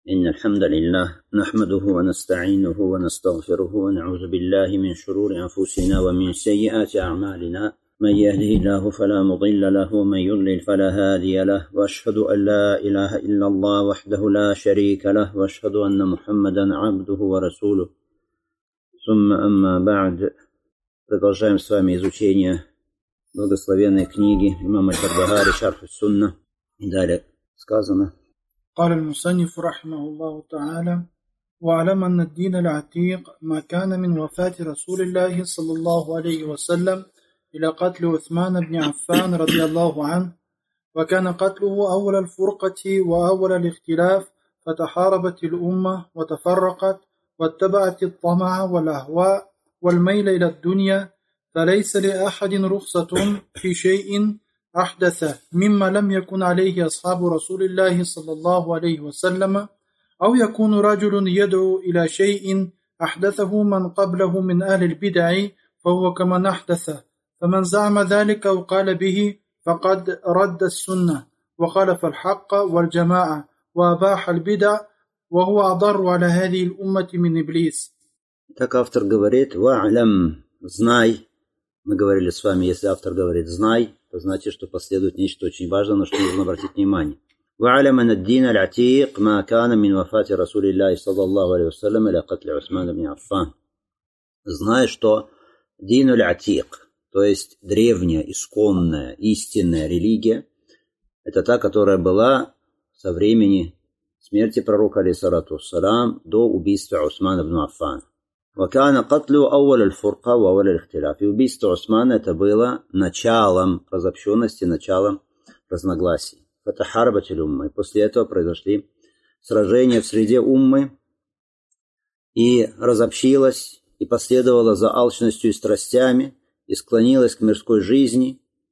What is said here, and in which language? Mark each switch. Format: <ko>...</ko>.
<ar>إن الحمد لله نحمده ونستعينه ونستغفره ونعوذ بالله من شرور أنفسنا ومن سيئات أعمالنا، من يهده الله فلا مضل له ومن يضلل فلا هادي له، وأشهد أن لا إله إلا الله وحده لا شريك له، وأشهد أن محمدا عبده ورسوله. ثم أما بعد،</ar> <ru>продолжаем с вами изучение благословенной книги имама Аль-Бухари Шарх Ас-Сунна. Далее сказано:</ru> <ar>قال المصنف رحمه الله تعالى: وعلم أن الدين العتيق ما كان من وفاة رسول الله صلى الله عليه وسلم إلى قتل عثمان بن عفان رضي الله عنه، وكان قتله أول الفرقة وأول الاختلاف، فتحاربت الأمة وتفرقت واتبعت الطمع والأهواء والميل إلى الدنيا، فليس لأحد رخصة في شيء أحدث مما لم يكن عليه أصحاب رسول الله صلى الله عليه وسلم، أو يكون رجل يدعو إلى شيء أحدثه من قبله من أهل البدع فهو كمن أحدث، فمن زعم ذلك أو قال به فقد رد السنة وخالف الحق والجماعة وأباح البدع، وهو أضر على هذه الأمة من إبليس.</ar> <ru>Так автор говорит: واعلم, знай. Мы говорили с вами, если автор говорит знай, то значит, что последует нечто очень важное, на что нужно обратить внимание.</ru> <ar>وعلم أن الدين العتيق ما كان من وفاة رسول الله صلى الله عليه وسلم إلى قتل عثمان بن عفان.</ar> <ru>Знай, что دين العتيق, то есть древняя, исконная, истинная религия, это та, которая была со времени смерти пророка алейхиссалату вассалам до убийства Усмана ибн Аффан.</ru> <ar>وكان قتل أول الفرقة وأول الاختلاف.</ar> <ru>И убийство Усмана — это было началом разобщенности, началом разногласий.</ru> <ar>Фатахарбатиль уммы.</ar> <ru>После этого произошли сражения в среде уммы, и разобщилась, и последовала за алчностью и страстями, и склонилась к мирской жизни.</ru>